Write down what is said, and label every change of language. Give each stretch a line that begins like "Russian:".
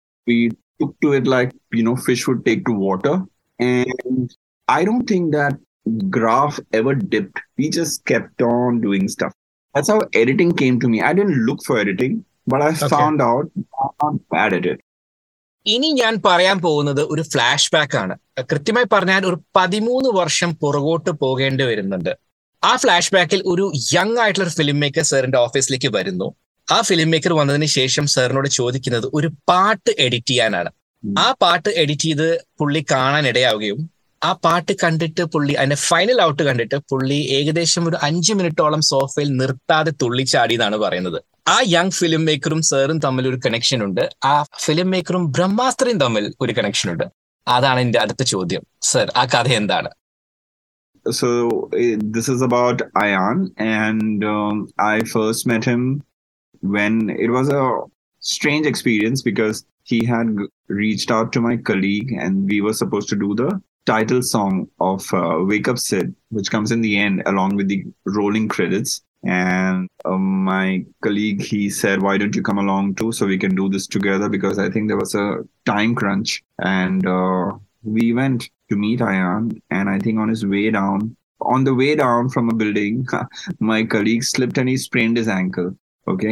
English: We took to it like, you know, fish would take to water. And I don't think that graph ever dipped. We just kept on doing stuff. That's how editing came to me. I didn't look for editing, but I found out I'm bad at it.
Malayalam: ഇനി ഞാൻ പറയാൻ പോകുന്നത് ഒരു flash back ആണ്. കൃത്യമായി പറഞ്ഞാൽ ഒരു 13 വർഷം പുറകോട്ട് പോകേണ്ടി വരുന്നുണ്ട്. ആ ഫ്ലാഷ് ബാക്കിൽ ഒരു യങ് ആയിട്ടുള്ള ഒരു ഫിലിം മേക്കർ സാറിന്റെ ഓഫീസിലേക്ക് വരുന്നു. ആ ഫിലിം മേക്കർ വന്നതിന് ശേഷം സാറിനോട് ചോദിക്കുന്നത് ഒരു പാട്ട് എഡിറ്റ് ചെയ്യാനാണ്. ആ പാട്ട് എഡിറ്റ് ചെയ്ത് പുള്ളി കാണാൻ ഇടയാവുകയും ആ പാട്ട് കണ്ടിട്ട് പുള്ളി അതിന്റെ ഫൈനൽ ഔട്ട് കണ്ടിട്ട് പുള്ളി ഏകദേശം ഒരു 5 മിനിറ്റോളം സോഫയിൽ നിർത്താതെ തുള്ളിച്ചാടി എന്നാണ് പറയുന്നത്. ആ യങ് ഫിലിം മേക്കറും സാറും തമ്മിൽ ഒരു കണക്ഷൻ ഉണ്ട്. ആ ഫിലിം മേക്കറും ബ്രഹ്മാസ്ത്രയും തമ്മിൽ ഒരു കണക്ഷൻ ഉണ്ട്. അതാണ് എന്റെ അടുത്ത ചോദ്യം. സർ, ആ കഥ എന്താണ്?
English: So this is about Ayaan. And I first met him when it was a strange experience because he had reached out to my colleague and we was supposed to do the title song of wake up Sid which comes in the end along with the rolling credits. And my colleague, he said, why don't you come along too so we can do this together? Because I think there was a time crunch. And we went to meet Ayan. And I think on the way down from a building, my colleague slipped and he sprained his ankle. Okay.